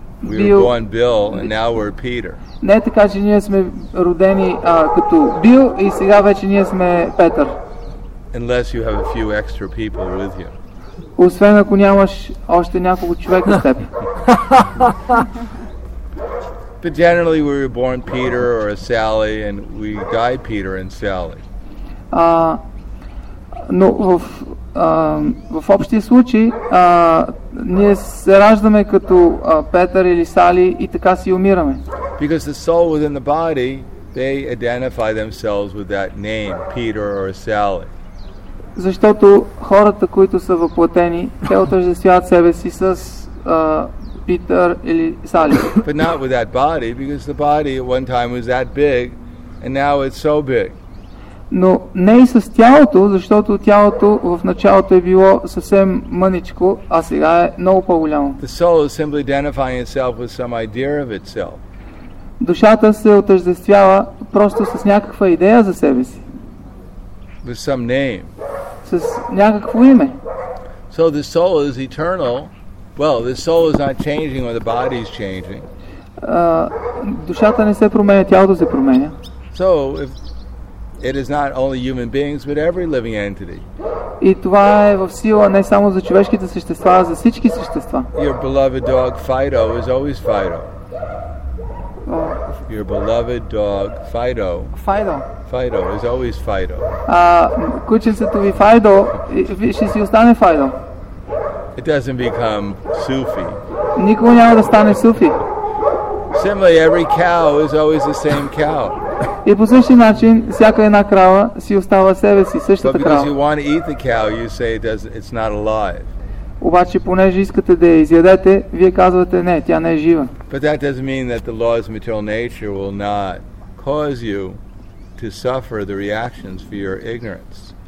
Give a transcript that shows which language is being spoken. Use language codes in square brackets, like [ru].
[en] We were born Bill and now we're Peter. [bg] Не така, че ние сме родени като Бил и сега вече ние сме Петър. [en] Unless you have a few extra people with you. [bg] Освен ако нямаш още няколко човека с теб. [en] But generally we were born Peter or a Sally and we guide Peter and Sally. [bg] Но в общия случай ние се раждаме като Петър или Сали и така си умираме. [en] Because the soul within the body, they identify themselves with that name, Peter or Sally. [bg] Защото хората, които са въплътени, те отъждествяват себе си с Питър или Сали. [en] But not with that body, because the body at one time was that big and now it's so big. [bg] Но не и с тялото, защото тялото в началото е било съвсем мъничко, а сега е много по-голямо. [en] The soul is simply identifying itself with some idea of itself. [bg] Душата се отъждествява просто с някаква идея за себе си. [en] With some name. [bg] С някакво име. [en] So the soul is eternal. Well, the soul is not changing or the body is changing. [bg] Душата не се променя, тялото се променя. [en] So if it is not only human beings, but every living entity. [bg] И това е в сила не само за човешките същества, а за всички същества. [en] Your beloved dog Fido is always Fido. Your beloved dog Fido. Fido. Fido is always Fido. [bg] Кученцето ви Fido ще си остане Fido. [en] It doesn't become Sufi. [bg] Никога няма да стане Суфи. [en] Similarly, every cow is always the same cow. [bg] И по същия начин, всяка една крава си остава себе си, същата крава. [en] But because you want to eat the cow, you say it's not alive. [bg] Обаче, понеже искате да я изядете, вие казвате, не, тя не е жива. [en] But that doesn't mean that the law's material nature will not cause you to suffer the reactions for your ignorance.